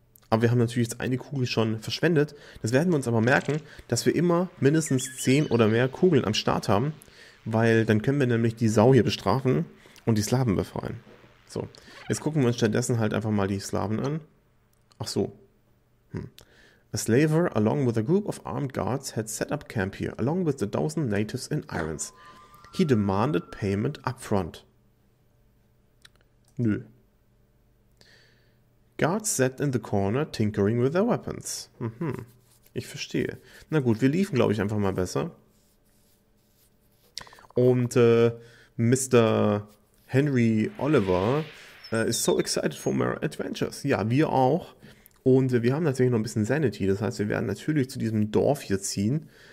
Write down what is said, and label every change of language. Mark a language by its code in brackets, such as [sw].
[de] Aber wir haben natürlich jetzt eine Kugel schon verschwendet. Das werden wir uns aber merken, dass wir immer mindestens 10 oder mehr Kugeln am Start haben. Weil dann können wir nämlich die Sau hier bestrafen und die Slaven befreien. So, jetzt gucken wir uns stattdessen halt einfach mal die Slaven an. Ach so. [en] A slaver along with a group of armed guards had set up camp here, along with 1,000 natives in irons. He demanded payment upfront. Nö. Guards sat in the corner, tinkering with their weapons. [de] Mhm, ich verstehe. Na gut, wir liefen, glaube ich, einfach mal besser. Und Mr. Henry Oliver ist so [en] excited for more adventures. [de] Ja, wir auch. Und wir haben natürlich noch ein bisschen Sanity. Das heißt, wir werden natürlich zu diesem Dorf hier ziehen.